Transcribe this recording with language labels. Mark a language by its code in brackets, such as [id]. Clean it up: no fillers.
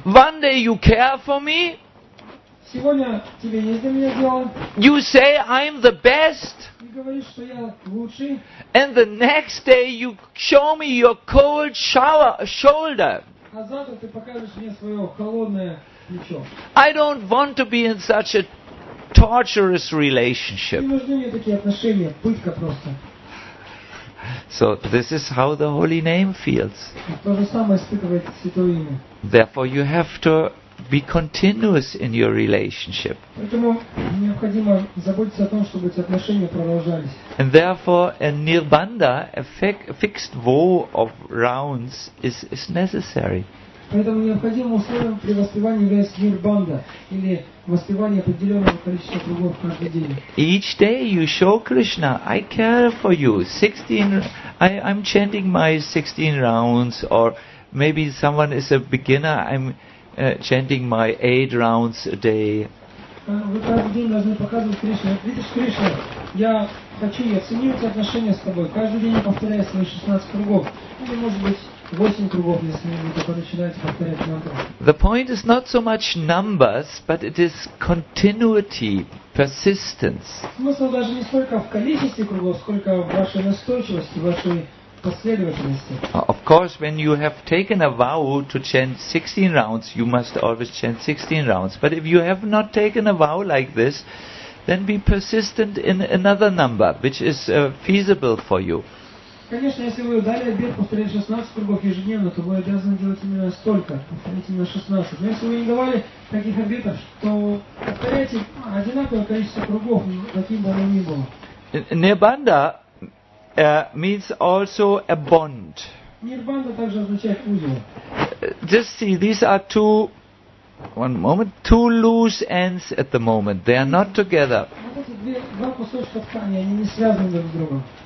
[en] One day you care for me. [ru] Сегодня тебе не за меня дело. [en] You say I'm the best. [ru] Ты говоришь, что я лучший. [en] And the next day you show me your cold shoulder. [ru] А завтра ты покажешь мне свое холодное плечо. [en] I don't want to be in such a torturous relationship. [ru] Не нужны мне такие отношения, пытка просто. [en] So this is how the holy name feels. [ru] То же самое испытывает святое имя. [en] Therefore you have to be continuous in your relationship. [ru] Поэтому необходимо заботиться о том, чтобы эти отношения продолжались. [en] And therefore a nirbandha, a fixed vow of rounds is necessary. [ru] Поэтому необходимо условием при воспевании является нирбанда или воспевание определенного количества кругов каждый день. [en] Each day you show Krishna, I care for you. 16, I'm chanting my 16 rounds, or maybe someone is a beginner, I'm chanting my 8 rounds a day. [ru] Вы каждый день должны показывать Кришне. Видишь, Кришна, я хочу и оценю эти отношения с тобой. Каждый день я повторяю свои 16 кругов. Или, может быть, 8 кругов, если вы только начинаете повторять мантру. [en] The point is not so much numbers, but it is continuity, persistence. [ru] Смысл даже не столько в количестве кругов, сколько в вашей настойчивости, в вашей последовательности. [en] Of course, when you have taken a vow to chant 16 rounds, you must always chant 16 rounds. But if you have not taken a vow like this, then be persistent in another number, which is feasible for you. [ru] Конечно, если вы дали обет повторять 16 кругов ежедневно, то вы обязаны делать именно столько, повторить именно 16. Но если вы не давали таких обетов, то повторяйте одинаковое количество кругов, каким бы оно ни было. [en] Nirbandha means also a bond. [ru] Nirbandha также означает узел. [en] Just see, these are two loose ends at the moment. They are not together. [ru] Вот эти два кусочка ткани, они не связаны друг с другом.